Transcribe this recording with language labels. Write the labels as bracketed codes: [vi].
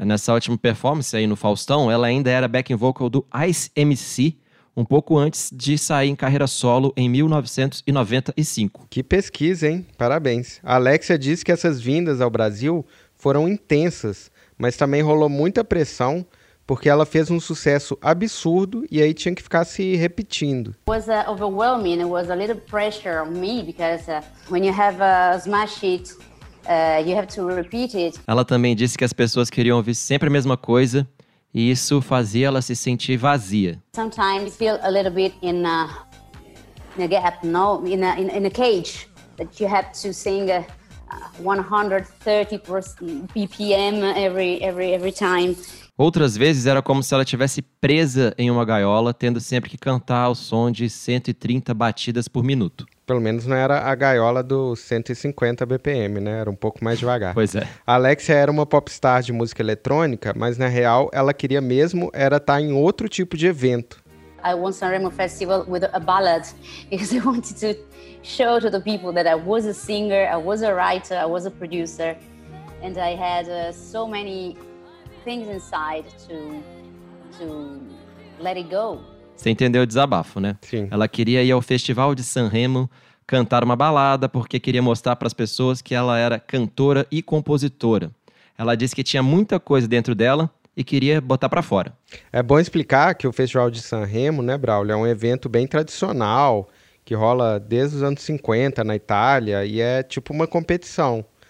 [pt] Nessa última performance aí no Faustão, ela ainda era backing vocal do Ice MC, um pouco antes de sair em carreira solo em 1995. Que pesquisa, hein? Parabéns. A Alexia disse que essas vindas ao Brasil foram intensas, mas também rolou muita pressão, porque ela fez um sucesso absurdo e aí tinha que ficar se repetindo. [en] Was overwhelming. It was a little pressure on me because when you have a smash hit, you have to repeat it. [pt] Ela também disse que as pessoas queriam ouvir sempre a mesma coisa e isso fazia ela se sentir vazia. [en] Sometimes you feel a little bit in a cage that you have to sing 130 BPM every time. [pt] Outras vezes era como se ela estivesse presa em uma gaiola, tendo sempre que cantar ao som de 130 batidas por minuto. Pelo menos não era a gaiola do 150 BPM, né? Era um pouco mais devagar. Pois é. A Alexia era uma popstar de música eletrônica, mas na real ela queria mesmo era estar em outro tipo de evento. [en] I won San Remo Festival with a ballad because I wanted to show to the people that I was a singer, I was a writer, I was a producer and I had so many things inside to let it go. [pt] Você entendeu o desabafo, né? Sim. Ela queria ir ao Festival de San Remo cantar uma balada porque queria mostrar para as pessoas que ela era cantora e compositora. Ela disse que tinha muita coisa dentro dela e queria botar para fora. É bom explicar que o Festival de San Remo, né, Braulio, é um evento bem tradicional que rola desde os anos 50 na Itália e é tipo uma competição.